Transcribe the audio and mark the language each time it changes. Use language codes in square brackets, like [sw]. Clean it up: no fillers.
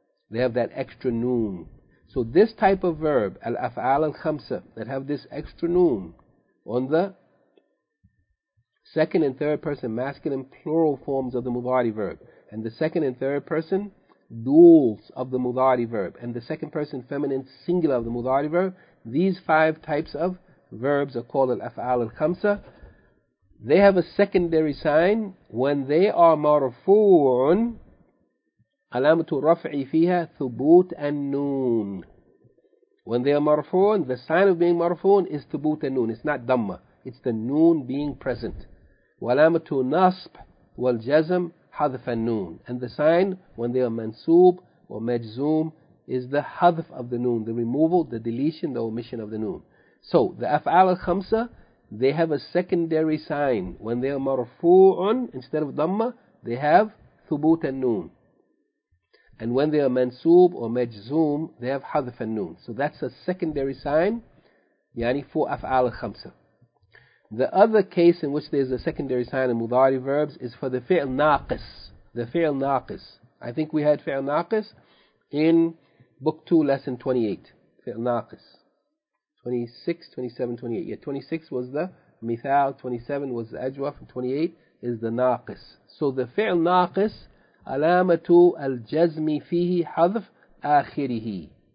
[en] They have that extra noon. So this type of verb, al-af'al al-khamsa, that have this extra noon on the second and third person masculine plural forms of the mudari verb, and the second and third person duals of the mudari verb, and the second person feminine singular of the mudari verb, these five types of verbs are called al-af'al al-khamsa. They have a secondary sign when they are marfu'un. [ar] علامة الرفع فيها ثبوت النون. [en] When they are marfoon, the sign of being marfoon is [ar] ثبوت النون. [en] It's not dhamma. It's the noon being present. [ar] وعلامة نصب والجزم حذف النون. [en] And the sign when they are mansoob or majzoom is the حذف of the noon, the removal, the deletion, the omission of the noon. So the أفعال الخمسة, they have a secondary sign. When they are marfoon instead of dhamma, they have [ar] ثبوت النون. [en] And when they are mansoob or majzoom, they have hadhaf al-noon. So that's a secondary sign, yani for af'al al-khamsa. The other case in which there's a secondary sign in mudari verbs is for the fi'l naqis. The fi'l naqis. I think we had fi'l naqis in book 2, lesson 28. Fi'l naqis. 26, 27, 28. Yeah, 26 was the mithal, 27 was the ajwaf, and 28 is the naqis. So the fi'l naqis, [ar] علامة الجزم فيه حذف آخره.